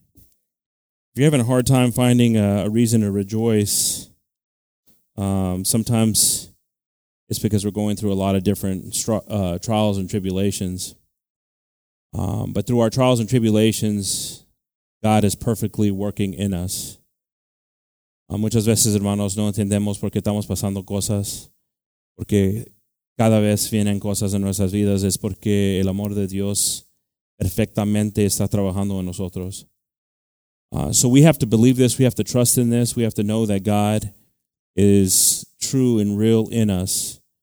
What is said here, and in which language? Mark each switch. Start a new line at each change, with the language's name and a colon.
English: If you're having a hard time finding a reason to rejoice, sometimes it's because we're going through a lot of different trials and tribulations. But through our trials and tribulations, God is perfectly working in us.
Spanish: Muchas veces, hermanos, no entendemos por qué estamos pasando cosas, porque cada vez vienen cosas en nuestras vidas. Es porque el amor de Dios perfectamente está trabajando en nosotros.
English: So we have to believe this. We have to trust in this. We have to know that God is true and real in us.